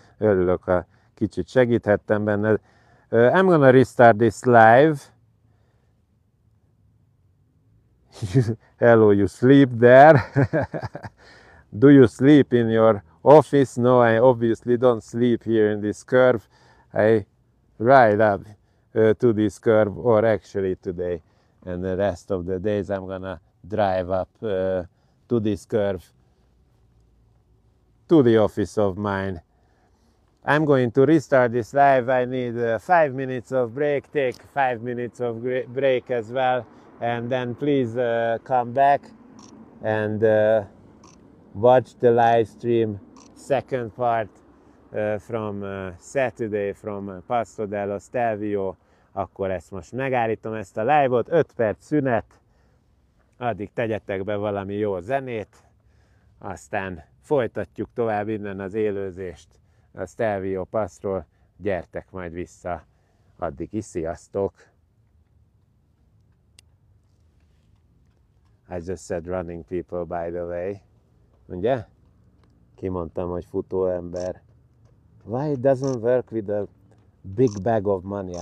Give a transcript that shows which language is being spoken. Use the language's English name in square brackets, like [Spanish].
[Hungarian] Örülök, ha kicsit segíthettem benned. [English] I'm gonna restart this live. Hello, you sleep there? Do you sleep in your office? No, I obviously don't sleep here in this curve. I ride up to this curve, or actually today and the rest of the days I'm gonna drive up to this curve. To the office of mine. I'm going to restart this live. I need 5 minutes of break. Take 5 minutes of break as well. And then please come back and watch the live stream, second part from Saturday from Paso dello Stelvio. [Hungarian] Akkor ezt most megállítom, ezt a live-ot. 5 perc szünet. Addig tegyetek be valami jó zenét. Aztán folytatjuk tovább innen az élőzést a Stelvio Passról. Gyertek majd vissza. Addig is sziasztok! [English] I just said running people, by the way. [Hungarian] Ugye? Kimondtam, hogy futó ember. [English] Why it doesn't work with a big bag of money?